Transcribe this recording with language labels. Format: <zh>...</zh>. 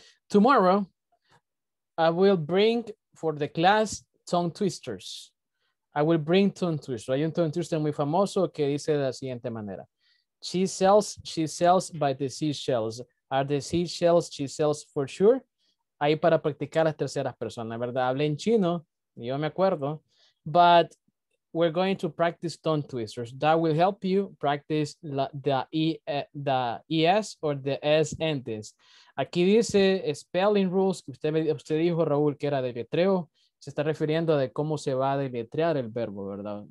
<en>Tomorrow, I will bring for the class tongue twisters. I will bring tongue twisters.</en> <es>Hay un tongue twister muy famoso que dice de la siguiente manera.</es> <en>She sells by the seashells. Are the seashells she sells for sure?</en> <es>Ahí para practicar las terceras personas, ¿verdad? Hablé en chino, yo me acuerdo.</es> <en>But we're going to practice tongue twisters. That will help you practice the ES or the S endings.</en> <es>Aquí dice spelling rules. Usted dijo, Raúl, que era deletreo. Se está refiriendo a de cómo se va a deletrear el verbo, ¿verdad?</es>